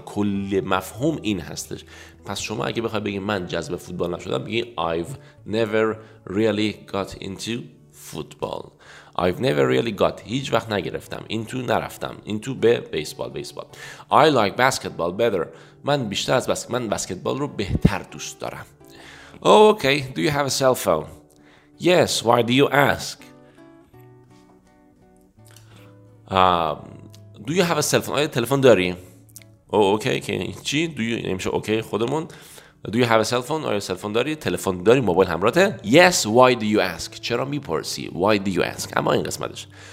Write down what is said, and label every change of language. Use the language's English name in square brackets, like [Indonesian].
[Persian] کل مفهوم این هستش. پس شما اگه بخوای بگی من جذب فوتبال نشدم، بگی [English] I've never really got into football. I've never really got، [Persian] هیچ وقت نگرفتم، [English] into نرفتم، into به baseball. I like basketball better، [Persian] من بیشتر از بسکتبال رو بهتر دوست دارم. [English] Oh okay, do you have a cell phone? Yes, why do you ask? Do you have a cell phone؟ [Persian] آیا تلفن داری؟ اوکی که چی؟ [English] Do you [Persian] نمیشه اوکی خودمون. [English] Do you have a cell phone؟ [Persian] آیا تلفن داری؟ تلفن داری؟ موبایل همراهته؟ [English] Yes, why do you ask؟ [Persian] چرا میپرسی؟ [English] Why do you ask؟ [Persian] اما این قسمتش.